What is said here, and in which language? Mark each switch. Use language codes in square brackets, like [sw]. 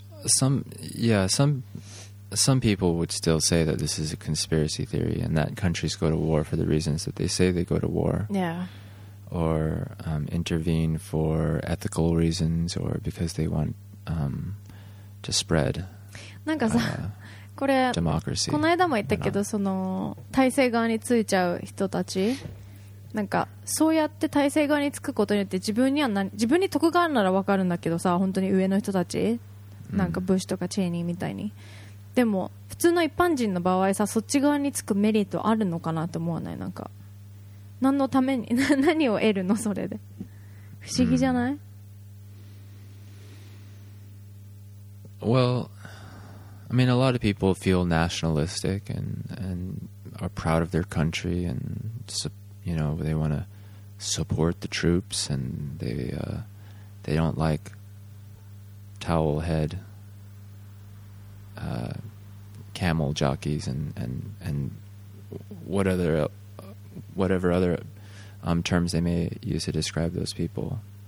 [en] Some people would still say that this is a conspiracy theory and that countries go to war for the reasons that they say they go to war. Yeah. Or intervene for ethical reasons or because they want to spread. [ja] なんかさ。これこの間も言ったけど、その体制側についちゃう人たち、なんかそうやって体制側につくことによって自分には自分に得があるなら分かるんだけどさ、本当に上の人たち、なんかブッシュとかチェーニーみたいに、でも普通の一般人の場合さ、そっち側につくメリットあるのかなと思わない？なんか何のために、何を得るの、それで。不思議じゃない？ [en] Well,I mean, a lot of people feel nationalistic and are proud of their country and, you know, they want to support the troops and they don't like towel head camel jockeys and whatever other terms they may use to describe those people.